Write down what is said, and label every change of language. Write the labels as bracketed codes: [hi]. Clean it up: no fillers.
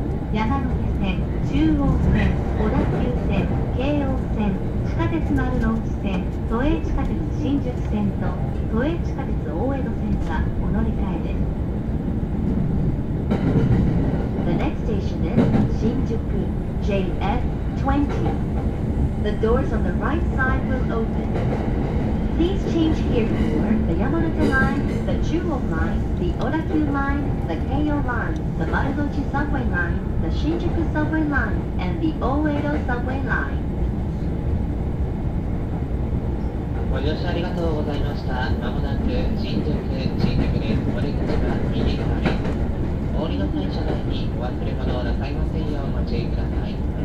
[ja] 山手線、中央線、小田急線、京王線、地下鉄丸の内線、都営地下鉄新宿線と都営地下鉄大江戸線がお乗り換えです。 [en] The next station is 新宿 JF20. The doors on the right side will open. Please change here for the Yamanote Line, the Chuo Line, the Odakyu Line, the Keio Line, the Marunouchi Subway Line, the Shinjuku Subway Line, and the Oedo Subway Line. [ja] ご乗車ありがとうございました。まもなく新宿です。お出口は右側です。降りの際、車内にお忘れ物をなさいませんようお待ちください。